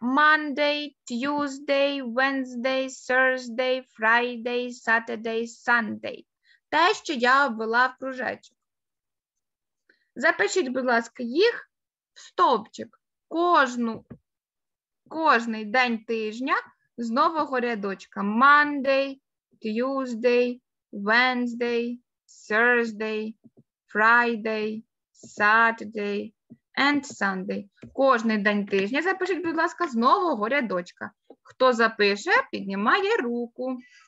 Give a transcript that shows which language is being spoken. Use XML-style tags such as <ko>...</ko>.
<en>Monday, Tuesday, Wednesday, Thursday, Friday, Saturday, Sunday.</en> <uk>Те, що я обвела в кружечок. Запишіть, будь ласка, їх в стовпчик. Кожний день тижня з нового рядочка.</uk> <en>Monday, Tuesday, Wednesday, Thursday, Friday, Saturday and Sunday.</en> <uk>Кожний день тижня запишіть, будь ласка, з нового рядочка. Хто запише, піднімає руку.</uk>